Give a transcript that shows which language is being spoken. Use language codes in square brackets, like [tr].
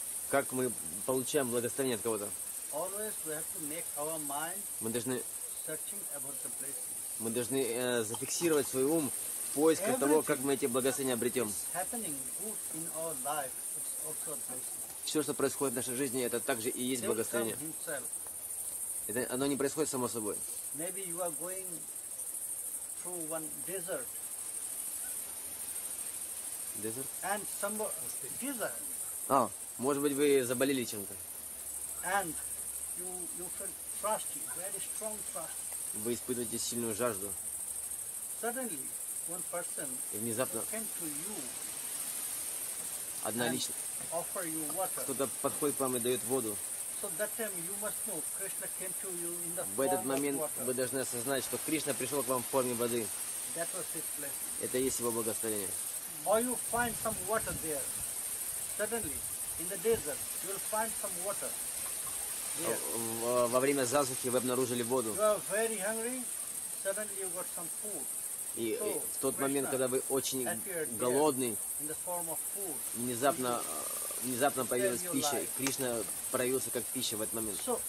[ru] Как мы получаем благословение от кого-то? [en] Always we have to make our mind searching about the blessings. [ru] Мы должны зафиксировать свой ум в поисках [en] everything [ru] того, как мы эти благословения обретем. [en] Happening good in our life, it's also a blessing. [ru] Все, что происходит в нашей жизни, это также и есть благословение. Это оно не происходит само собой. [en] Maybe you are going through one desert. Desert? And desert. [ru] А, может быть, вы заболели чем-то. [en] And you feel thirsty, very strong thirst. [ru] Вы испытываете сильную жажду. [en] Suddenly, one person [ru] и внезапно [en] came to you [ru] одна личность [en] offer you water. [ru] Кто-то подходит к вам и дает воду. [en] So that time you must know Krishna came to you in the [ru] в этот момент вы должны осознать, что Кришна пришел к вам в форме воды. [en] That was his blessing. [ru] Это и есть его благословение. [en] Or you find some water there. Suddenly, in the desert, you will find some water. [ru] Во время засухи вы обнаружили воду. [en] You are very hungry. Suddenly, you got some food. [ru] И в тот момент, когда вы очень голодный, внезапно появилась пища. Кришна проявился как пища в этот момент.